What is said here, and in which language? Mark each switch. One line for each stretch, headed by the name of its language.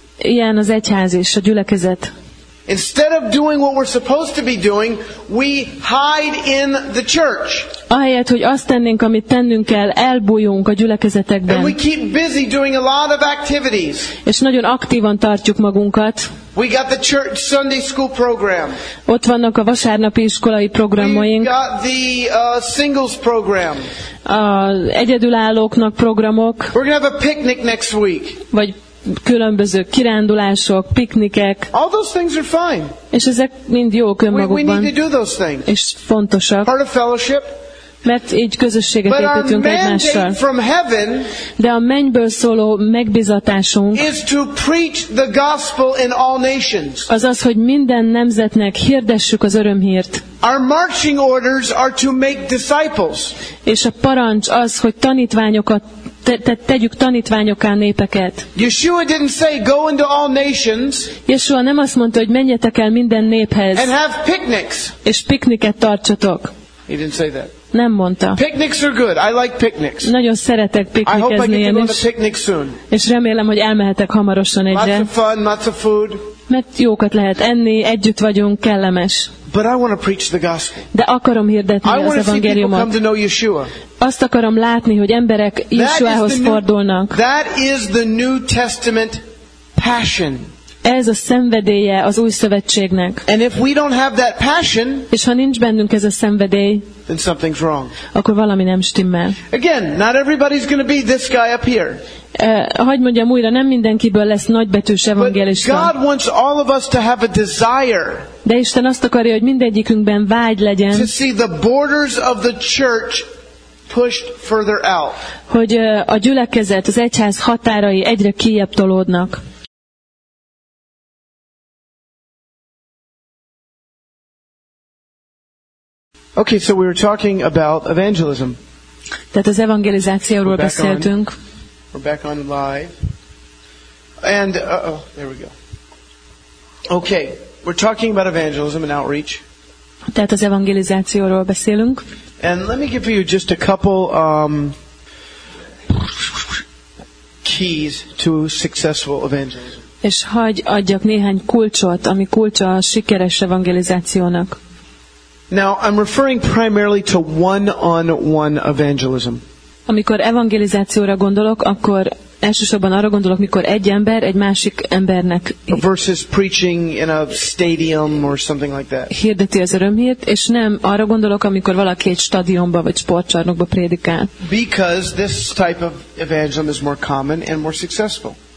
Hungarian: Ilyen az egyház is, a gyülekezet.
English: Instead of doing what we're supposed to be doing, we hide in the church.
Hungarian: Ahelyett, hogy azt tennénk, amit tennünk kell, elbújunk a gyülekezetekben.
English: And we keep busy doing a lot of activities.
Hungarian: És nagyon aktívan tartjuk magunkat.
English: We got the church Sunday school program.
Hungarian: Ott vannak a vasárnapi iskolai programjaink.
English: We got the singles program.
Hungarian: Egyedülállóknak programok.
English: We're gonna have a picnic next week.
Hungarian: Vagy különböző kirándulások, piknikek.
English: All those things are fine.
Hungarian: És ezek mind jók önmagukban.
English: We need to do those things.
Hungarian: És fontosak.
English: Part of fellowship.
Hungarian: Mert így közösséget építünk egymással.
English: From heaven,
Hungarian: de a mennyből szóló megbizatásunk
English: is to preach the gospel in all nations.
Hungarian: Azaz, hogy minden nemzetnek hirdessük az örömhírt.
English: Our marching orders are to make disciples.
Hungarian: És a parancs az, hogy tanítványokat tegyük tanítványokká népeket.
English: Yeshua didn't say go into all nations.
Hungarian: Yeshua nem azt mondta, hogy menjetek el minden néphez.
English: And have picnics.
Hungarian: És pikniket tartsatok.
English: He didn't say that.
Hungarian: Nem mondta.
English: Picnics are good. I like picnics.
Hungarian: Nagyon szeretek piknikezni.
English: I hope I can go on a picnic soon.
Hungarian: És remélem, hogy elmehetek hamarosan egyre.
English: Lots of fun, lots of food.
Hungarian: Mert jókat lehet enni, együtt vagyunk, kellemes.
English: But I want to preach the gospel.
Hungarian: De akarom hirdetni
English: I
Hungarian: az evangéliumot.
English: Come to know Yeshua.
Hungarian: Azt akarom látni, hogy emberek Yeshuához fordulnak.
English: That is the New Testament passion.
Hungarian: Ez a szenvedélye az új szövetségnek.
English: And if we don't have that passion,
Hungarian: és ha nincs bennünk ez a szenvedély,
English: then something's wrong.
Hungarian: Akkor valami nem stimmel.
English: Again, not everybody's going to be this guy up here.
Hungarian: Hogy mondjam újra, nem mindenkiből lesz nagybetűs evangélista.
English: God wants all of us to have a desire.
Hungarian: De Isten azt akarja, hogy mindegyikünkben vágy legyen.
English: To see the borders of the church pushed further out.
Hungarian: Hogy a gyülekezet, az egyház határai egyre kijebb tolódnak.
English: Okay, so we were talking about evangelism.
Hungarian: Tehát az evangelizációról beszéltünk.
English: We're back on live. And, there we go. Okay, we're talking about evangelism and outreach.
Hungarian: Tehát az evangelizációról beszélünk.
English: And let me give you just a couple keys to successful evangelism.
Hungarian: És hagy adjak néhány kulcsot, ami kulcs a sikeres evangelizációnak.
English: Now I'm referring primarily to one-on-one evangelism.
Hungarian: Amikor evangelizációra gondolok, akkor elsősorban arra gondolok, mikor egy ember egy másik embernek
English: versus preaching in a stadium or something like that.
Hungarian: Hirdeti az örömhírt, és nem arra gondolok, amikor valaki egy stadionba vagy sportcsarnokba prédikál.
English: Because this type of evangelism is more common and more successful.